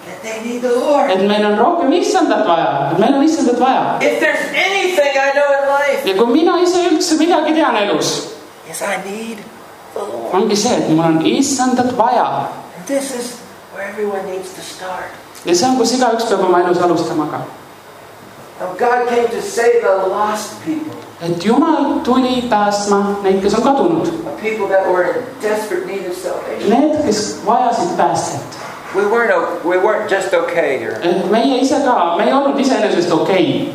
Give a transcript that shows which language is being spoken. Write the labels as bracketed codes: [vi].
[en] They need the Lord. [et] Et meil on issandat vaja. Meil on issandat vaja. [en] If there's anything I know in life. [et] Ja kui mina ise üldse midagi tean elus. [en] Yes, I need the Lord. [et] Ongi see, et mul on issandat vaja. [en] And this is where everyone needs to start. [et] Ja see on, kus iga üks peab oma elus alustama ka. [en] Now God came to save the lost people. [et] Et Jumal tuli päästma neid, kes on kadunud. [en] A people that were in desperate need of salvation. [et] Need, kes vajasid päästet. [en] We weren't just okay here. [et] Me ei olnud iseenesest okay.